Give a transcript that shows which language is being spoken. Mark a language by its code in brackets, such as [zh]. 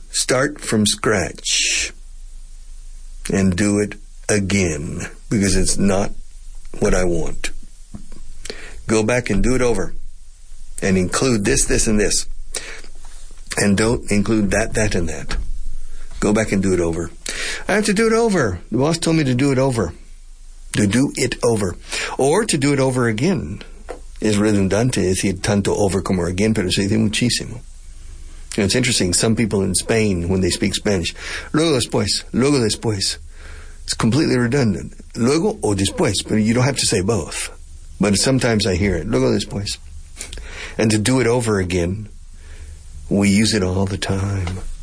[en] Start from scratch and do it again because it's not what I want. Go back and do it over and include this, this, and this. And don't include that, that, and that. Go back and do it over. I have to do it over. The boss told me to do it over. To do it over. Or to do it over again. [es] Es redundante decir tanto over como again, pero se dice muchísimo. [en] You know, it's interesting, some people in Spain, when they speak Spanish, [es] luego después, [en] it's completely redundant. [es] Luego o después, [en] but you don't have to say both. But sometimes I hear it, [es] luego después. [en] And to do it over again, we use it all the time.